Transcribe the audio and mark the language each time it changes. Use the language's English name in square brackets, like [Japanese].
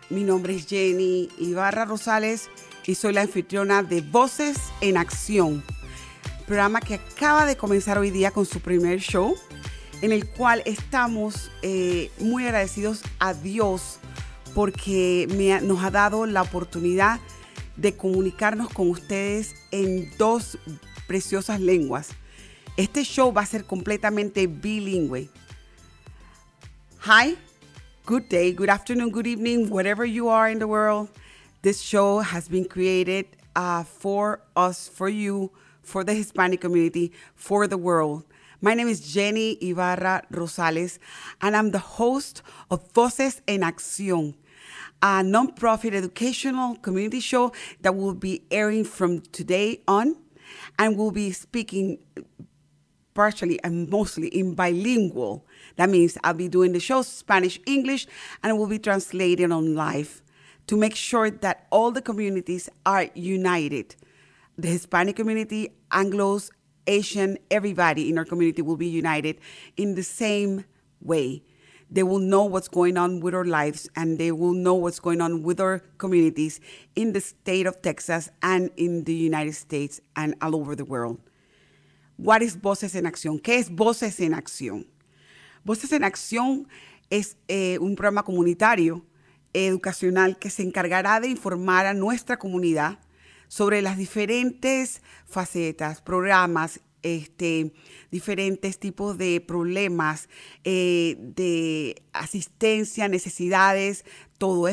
[Spanish] Mi nombre es Jenny Ibarra Rosales y soy la anfitriona de Voces en Acción, programa que acaba de comenzar hoy día con su primer show, en el cual estamos muy agradecidos a Dios porque nos ha dado la oportunidad de comunicarnos con ustedes en dos preciosas lenguas. Este show va a ser completamente bilingüe. [English] Hi, good day, good afternoon, good evening, whatever you are in the world. This show has been created for us, for you, for the Hispanic community, for the world. My name is Jenny Ibarra Rosales, and I'm the host of Voces en Acción, a nonprofit educational community show that will be airing from today on, and we'll be speaking partially and mostly in bilingual. That means I'll be doing the show Spanish, English, and it will be translated on live to make sure that all the communities are united. The Hispanic community, Anglos, Asian, everybody in our community will be united in the same way. They will know what's going on with our lives, and they will know what's going on with our communities in the state of Texas and in the United States and all over the world. What is Voces en Acción? ¿Qué es Voces en Acción? [Spanish] Voces en Acción es un programa comunitario educacional que se encargará de informar a nuestra comunidad sobre las diferentes facetas, programas, diferentes tipos de problemas, de asistencia, necesidades, todo.